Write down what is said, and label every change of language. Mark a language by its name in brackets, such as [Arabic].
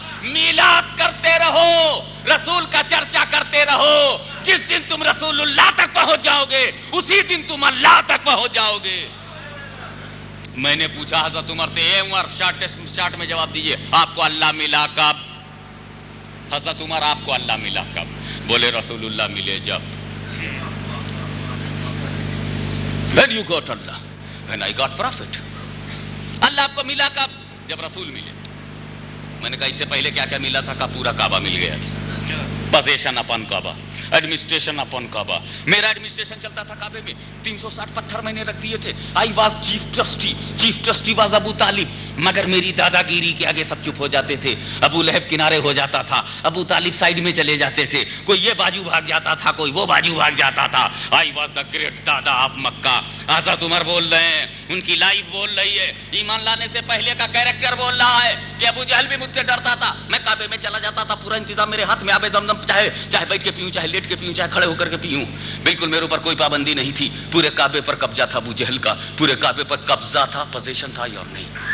[Urdu] میلاد کرتے رہو, رسول کا چرچا کرتے رہو, جس دن تم رسول اللہ تک پہنچ جاؤ گے اسی دن تم اللہ تک پہنچ جاؤ گے. میں نے پوچھا حضرت عمر سے, اے عمر شارٹ میں جواب دیجئے, آپ کو اللہ ملا کب؟ حضرت عمر آپ کو اللہ ملا کب؟ بولے رسول اللہ ملے جب. [English] When you got Allah, when I got prophet. [Urdu] اللہ آپ کو ملا کب؟ جب رسول ملے. میں نے کہا اس سے پہلے کیا کیا ملا تھا؟ کہا پورا کعبہ مل گیا تھا, [English] Position upon Kaaba, administration upon Kaaba. [Urdu] میرا ایڈمنسٹریشن چلتا تھا کعبے میں, 360 پتھر میں نے رکھ دیے تھے. [English] I was chief trustee, chief trustee was Abu Talib, [Urdu] مگر میری دادا گیری کے آگے سب چپ ہو جاتے تھے. ابو لہب کنارے ہو جاتا تھا, ابو طالب سائیڈ میں چلے جاتے تھے, کوئی یہ باجو بھاگ جاتا تھا, کوئی وہ باجو بھاگ جاتا تھا. [English] I was the great دادا of Mecca. [Urdu] حضرت عمر بول رہے ہیں, ان کی لائف بول رہی ہے, ایمان لانے سے پہلے کا کیریکٹر بول رہا ہے کہ ابو جہل بھی مجھ سے ڈرتا تھا. میں کعبے میں چلا جاتا تھا, پورا انتظام میرے ہاتھ میں, آبے دم دم, چاہے بیٹھ کے پیوں, چاہے لیٹ کے پیوں, چاہے کھڑے ہو کر کے پیوں, بالکل میرے اوپر کوئی پابندی نہیں تھی. پورے کعبے پر قبضہ تھا ابو جہل کا, پورے کعبے پر قبضہ تھا, پوزیشن تھا یا نہیں.